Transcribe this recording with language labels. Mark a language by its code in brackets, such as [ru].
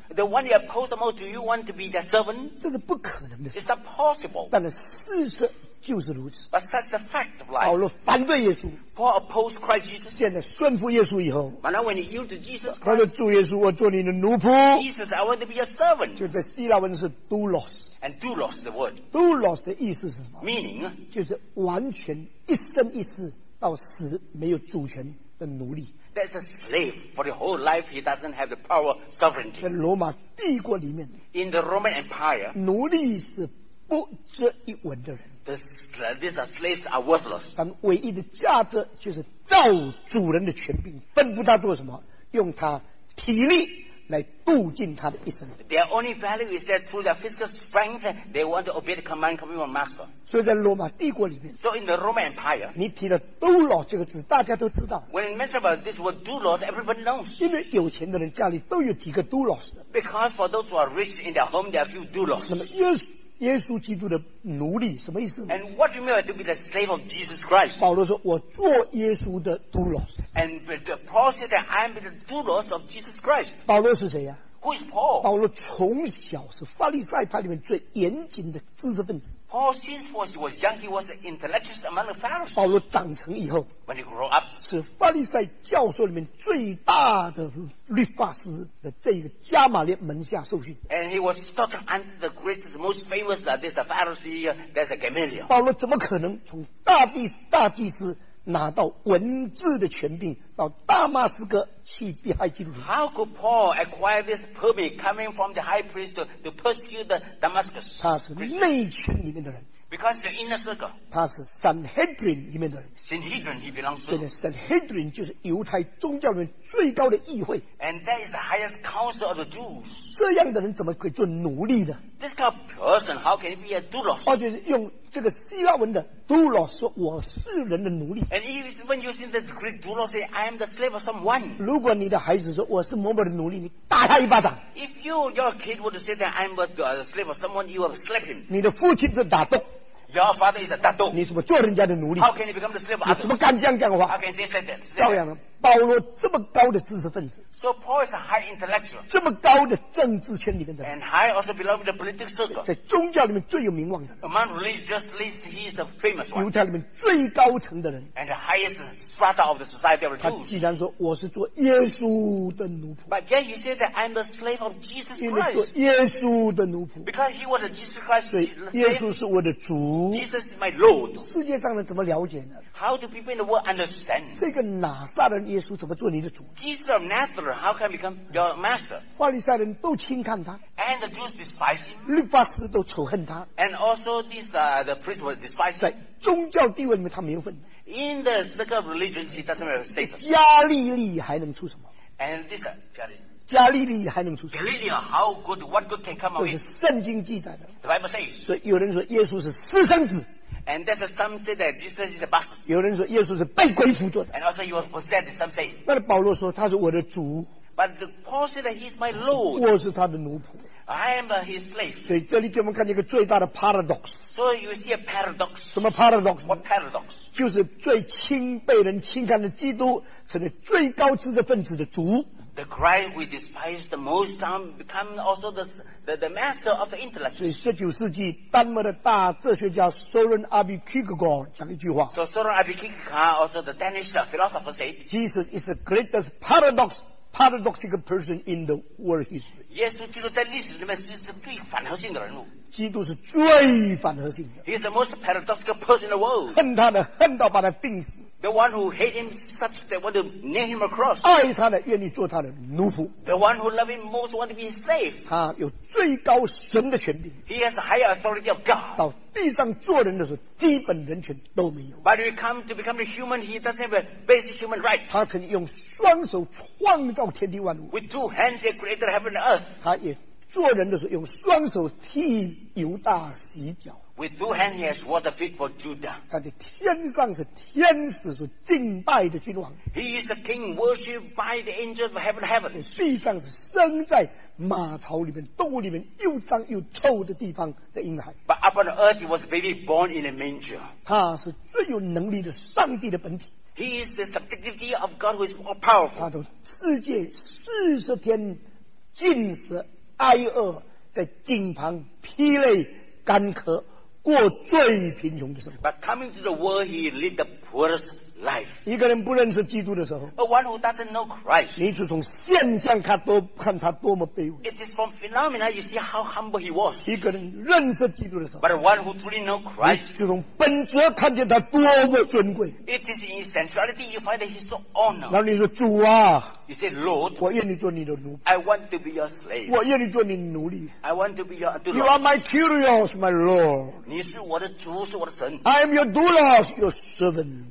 [en] The one you oppose the most, do you want to be their servant? [zh] 这是不可能的。 [en] It's not possible. [zh] 但是事实就是如此。 [en] But such a fact of life. [zh] 保罗反对耶稣。 [en] Paul opposed Christ Jesus. [zh] 现在顺服耶稣以后。 [en] But now when you yield to Jesus. [zh] 他说主耶稣，我做你的奴仆。 [en] Jesus, I want to be your servant. [zh] 就在希腊文是 doulos。 [en] And doulos the word. [zh] Doulos 的意思是什么？ [en] Meaning [zh] 就是完全一生一世到死没有主权的奴隶。 [en] That's a slave for the whole life. He doesn't have the power sovereignty. [zh] 在罗马帝国里面。 [en] In the Roman Empire. [zh] 奴隶是不值一文的人。 [en] These slaves are worthless. [zh] 但唯一的价值就是照主人的权柄吩咐他做什么，用他体力。来度尽他的一生。 [en] Their only value is that through their physical strength, they want to obey the command coming from master. [zh] 所以在罗马帝国里面。 [en] So in the Roman Empire. [zh] 你提了 doulos 这个字，大家都知道。 [en] When you mention about this word doulos, everyone knows. [zh] 因为有钱的人家里都有几个 doulos。 [en] Because for those who are rich in their home, there are few doulos. [zh] 那么耶稣基督的奴隶什么意思？ [en] And what do you mean to be the slave of Jesus Christ? [zh] 保罗说，我做耶稣的 doulos。 [en] And the Paul said that I am the doulos of Jesus Christ. [zh] 保罗是谁呀？ [en] Who is Paul? [zh] 保罗从小是法利赛派里面最严谨的知识分子。 [en] Paul, since he was young, he was an intellectualist among the Pharisees. [zh] 保罗长成以后， [en] when he grew up, [zh] 是法利赛教授里面最大的律法师的这个加马列门下受训。 [en] And he was taught under the greatest, most famous that this Pharisee, that's a Gamaliel. [zh] 保罗怎么可能从大祭司？拿到文字的权柄，到大马士革去逼害基督徒。 [en] How could Paul acquire this permit coming from the high priest to persecute the Damascus? [zh] 他是内圈里面的人。 [en] Because the inner circle. [zh] 他是 Sanhedrin 里面的人。 [en] Sanhedrin he belongs to. [zh] 所以 Sanhedrin 就是犹太宗教人最高的议会。 [en] And that is the highest council of the Jews. [zh] 这样的人怎么可以做奴隶呢？ [en] This kind of person, how can he be a doulos? [zh] 而且用这个希腊文的 doulos 说我是人的奴隶。 [en] And even using the Greek doulos say I am the slave of someone. [zh] 如果你的孩子说我是某某的奴隶，你打他一巴掌。 [en] If your kid would say that I am the slave of someone, you would slap him. [zh] 你的父亲是打洞。 [en] Your father is a [zh] 大洞。你怎么做人家的奴隶？ [en] How can you become the slave of others? [zh] 你怎么敢这样讲话？ [en] How can you say that? [zh] 照样的，保罗这么高的知识分子。 [en] So Paul is a high intellectual. [zh] 这么高的政治圈里面的人。 [en] And high also belong to the political circle. [zh] 在宗教里面最有名望的。 [en] Among religious lists, he is the famous one. [zh] 犹太里面最高层的人。 [en] And the highest strata of the society of the Jews. [zh] 他既然说我是做耶稣的奴仆。 [en] But yet he said that I'm the slave of Jesus Christ. [zh] 因为做耶稣的奴仆。 [en] Because he was a Jesus Christ. [zh] 所以耶稣是我的主。 [en] Jesus is my Lord. [zh] 世界上人怎么了解呢？ [en] How do people in the world understand? [zh] 这个拿撒人耶稣怎么做你的主？ [en] Jesus of Nazareth, how can he become your master? [zh] 法利赛人都轻看他。 [en] And the Jews despise him. [zh] 律法师都仇恨他。 [en] And also these, the priests were despised. [zh] 在宗教地位里面他没有份。 [en] In the circle of religion, he doesn't have a status. [zh] 加利利还能出什么？ [en] And this, 加利利。 [zh] 加利利还能出什么？ [en] Galilee, how good, what good can come of it? [zh] 这是圣经记载的。 [en] The Bible says. [zh] 所以有人说耶稣是私生子。 [en] And there's some say that Jesus is a bastard. [zh] 有人说耶稣是被鬼附着的。 [en] And also he was possessed, some say. [zh] 那保罗说他是我的主。 [en] But Paul said that he's my Lord. [zh] 我是他的奴仆。 [en] I am his slave. [zh] 所以这里给我们看见一个最大的 paradox. [en] So you see a paradox. [zh] 什么 paradox? [en] What paradox? [zh] 就是最轻被人轻看的基督成了最高知识分子的主。 [en] The Christ we despise the most become also the master of the intellect. [zh] 所以十九世纪丹麦的大哲学家 Søren Abbe Kierkegaard 讲一句话。 [en] So Søren Abbe Kierkegaard, also the Danish philosopher, said, Jesus is the greatest paradox, paradoxical person in the world history. [zh] 耶稣基督在历史里面是最反合性的人物。基督是最反合性的。 [en] He is the most paradoxical person in the world. [zh] 恨他的恨到把他钉死。 [en] The one who hate him such that want to nail him across. [zh] 爱他的愿意做他的奴仆。 [en] The one who love him most want to be slave. [zh] 他有最高神的权柄。 [en] He has the higher authority of God. [zh] 到地上做人的时候，基本人权都没有。 [en] But when he come to become a human, he doesn't have a basic human right. [zh] 他曾用双手创造天地万物。 [en] With two hands, he created heaven and earth. [zh] 他也做人的时候用双手替犹大洗脚。 [en] With two hands, he has washed the feet for Judah. [zh] 他在天上是天使所敬拜的君王。 [en] He is the king worshipped by the angels of heaven and heaven. [zh] 地上是生在马槽里面、动物里面又脏又臭的地方的婴孩。 [en] But up on earth, he was baby born in a manger. [zh] 他是最有能力的上帝的本体。 [en] He is the subjectivity of God who is more powerful. [zh] 他从世界四十天进食。挨饿在井旁披泪干渴过最贫穷的生活。 [en] But coming to the world, he lived the poorest life. [zh] 一个人不认识基督的时候， [en] a one who doesn't know Christ, [zh] 你是从现象看多看他多么卑微。 [en] It is from phenomena you see how humble he was. [zh] 一个人认识基督的时候， [en] but one who truly know Christ, [zh] 你是从本质看见他多么尊贵。 [en] It is in sensuality you find that he's so honored. [zh] 那你说主啊， [en] you say Lord, [zh] 我愿意做你的奴。 [en] I want to be your slave. [zh] 我愿意做你奴隶。 [en] I want to be your doulos. You are my curios, my Lord. [zh] 你是我的主，是我的神。 [en] I'm your doulos, your servant.